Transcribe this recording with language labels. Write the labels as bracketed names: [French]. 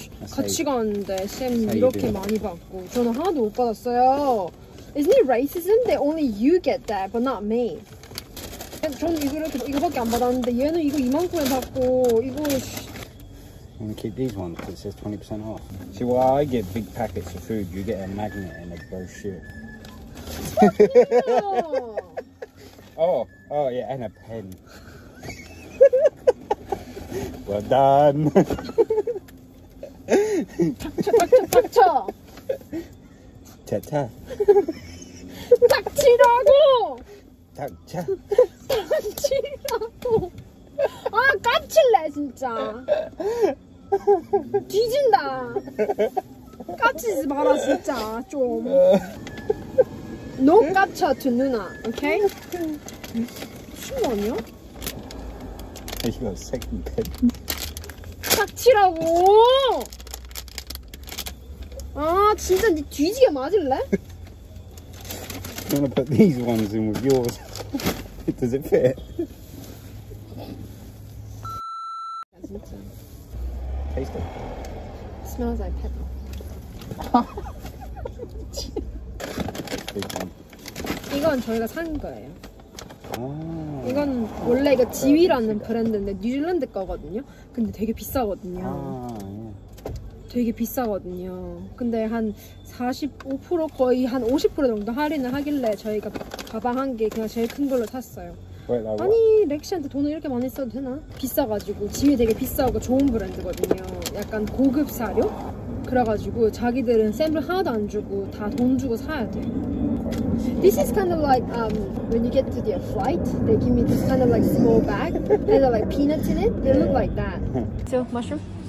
[Korean] 같이 갔는데 쌤 이렇게 많이 받고 저는 하나도 못 받았어요. [English] Isn't it racism that only you get that but not me? [Korean] 저는 이거 이렇게 이거밖에 안 받았는데 얘는 이거 이만큼에 받고 이거. [English] I'm gonna keep these ones because it says 20% off. See, why I get big packets of food, you get a magnet and a brochure. oh yeah, and a pen. Well done. [Korean] 닥쳐 닥쳐 닥쳐 닥치라고 닥쳐 닥치라고 아 까칠래 진짜 뒤진다 까치지 마라 진짜 좀 No 까쳐 두 누나 오케이 무슨 거 아니야? 이거 [English] second pen [Korean] 닥치라고 아 진짜 네 뒤지게 맞을래? [English] I'm gonna put these ones in with yours. Does it fit? [Korean] 진짜. [English] Taste it. Smells like pepper. [Korean] 이건 저희가 산 거예요. 이건 원래 이거 지위라는 브랜드인데 뉴질랜드 거거든요. 근데 되게 비싸거든요. 되게 비싸거든요. 근데 한 45% 거의 한 50% 정도 할인을 하길래 저희가 가방 한 개 그냥 제일 큰 걸로 샀어요. [English] Wait, [Korean] 아니 렉시한테 돈을 이렇게 많이 써도 되나? 비싸가지고 짐이 되게 비싸고 좋은 브랜드거든요. 약간 고급 사료? 그래가지고 자기들은 샘플 하나도 안 주고 다 돈 주고 사야 돼. [English] This is kind of like when you get to their flight, they give me this kind of like small bag and there are like peanuts in it. They look like that. So mushroom.